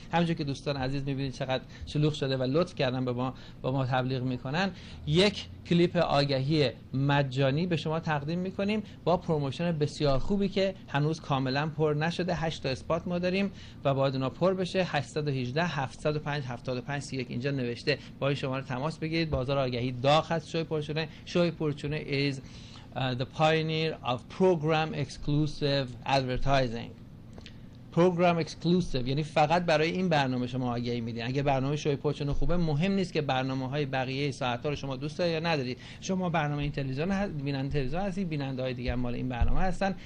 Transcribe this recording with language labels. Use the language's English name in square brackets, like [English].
[Persian] همونجوری که دوستان عزیز میبینید چقدر شلوغ شده و لطف کردن به ما، با ما تبلیغ میکنن، یک کلیپ آگهی مجانی به شما تقدیم میکنیم با پروموشن بسیار خوبی که هنوز کاملا پر نشده. 8 تا اسپات ما داریم و باید اونها پر بشه. 818 705 7531 اینجا نوشته، با شماره تماس بگیرید. بازار آگهی داغ است شوی پرچونه. [English] Shoy Porchune is the pioneer of program exclusive advertising. [Persian] پروگرام اکسکلوسیو، یعنی فقط برای این برنامه شما آگهی میدین. اگه برنامه شوی پوچن خوبه، مهم نیست که برنامه های بقیه ساعت ها رو شما دوست دارید یا ندارید. شما برنامه این تلویزیون هست، بیننده تلویزیون هستید، بیننده های دیگه مال این برنامه هستن.